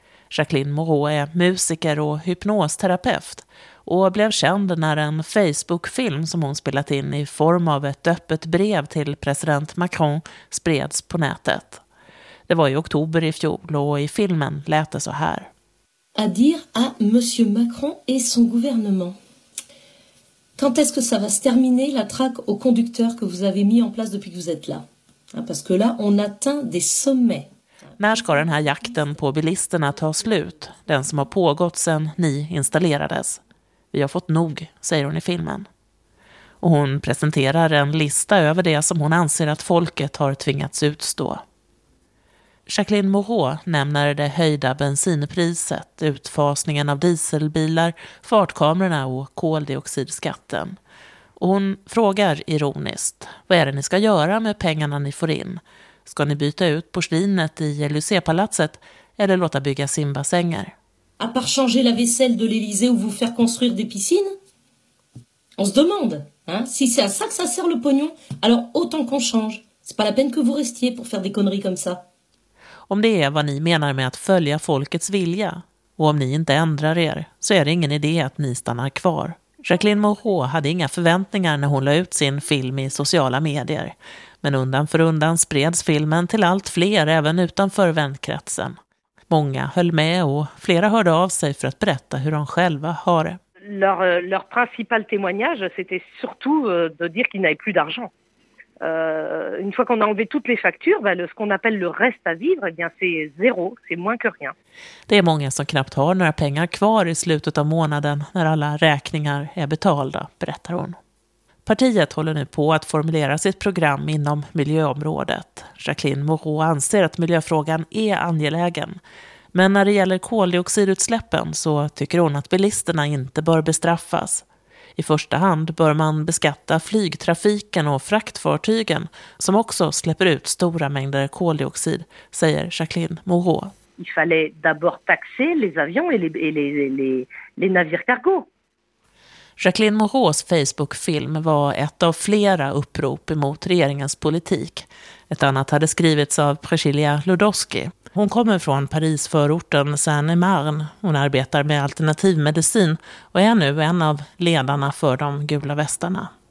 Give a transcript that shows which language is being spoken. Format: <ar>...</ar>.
<sv>Jacqueline Moreau är musiker och hypnosterapeut och blev känd när en Facebook-film som hon spelat in i form av ett öppet brev till president Macron spreds på nätet. Det var i oktober i fjol och i filmen lät det så här.</sv> <fr>À dire à monsieur Macron et son gouvernement. Quand est-ce que ça va se terminer la traque aux conducteurs que vous avez mis en place depuis que vous êtes là? Parce que là on atteint des sommets.</fr> <sv>När ska den här jakten på bilisterna ta slut, den som har pågått sedan ni installerades? Vi har fått nog, säger hon i filmen. Och hon presenterar en lista över det som hon anser att folket har tvingats utstå. Jacqueline Moreau nämner det höjda bensinpriset, utfasningen av dieselbilar, fartkamerorna och koldioxidskatten. Och hon frågar ironiskt, vad är det ni ska göra med pengarna ni får in? Ska ni byta ut porslinet i Lycée-palatset eller låta bygga simbassänger?</sv> <fr>À part changer la vaisselle de l'Élysée ou vous faire construire des piscines? On se demande, hein, si c'est à ça que ça sert le pognon, alors autant qu'on change. C'est pas la peine que vous restiez pour faire des conneries comme ça.</fr> <sv>Om det är vad ni menar med att följa folkets vilja, och om ni inte ändrar er, så är det ingen idé att ni stannar kvar. Jacqueline Moreau hade inga förväntningar när hon la ut sin film i sociala medier. Men undan för undan spreds filmen till allt fler även utanför vänkretsen. Många höll med och flera hörde av sig för att berätta hur de själva har det.</sv> <fr>Leur principal témoignage, c'était surtout de dire qu'ils n'avaient plus d'argent. Une fois qu'on a enlevé toutes les factures, bah, ce qu'on appelle le reste à vivre, eh bien, c'est zéro, c'est moins que rien.</fr> <sv>Det är många som knappt har några pengar kvar i slutet av månaden när alla räkningar är betalda, berättar hon. Partiet håller nu på att formulera sitt program inom miljöområdet. Jacqueline Moreau anser att miljöfrågan är angelägen. Men när det gäller koldioxidutsläppen så tycker hon att bilisterna inte bör bestraffas. I första hand bör man beskatta flygtrafiken och fraktfartygen som också släpper ut stora mängder koldioxid, säger Jacqueline Moreau.</sv> <fr>Il fallait d'abord taxer les avions et les navires cargo.</fr> <sv>Jacqueline Moreaus Facebook-film var ett av flera upprop emot regeringens politik. Ett annat hade skrivits av Priscilla Ludowski. Hon kommer från Paris-förorten Saint-Emarne. Hon arbetar med alternativmedicin och är nu en av ledarna för de gula västarna.</sv>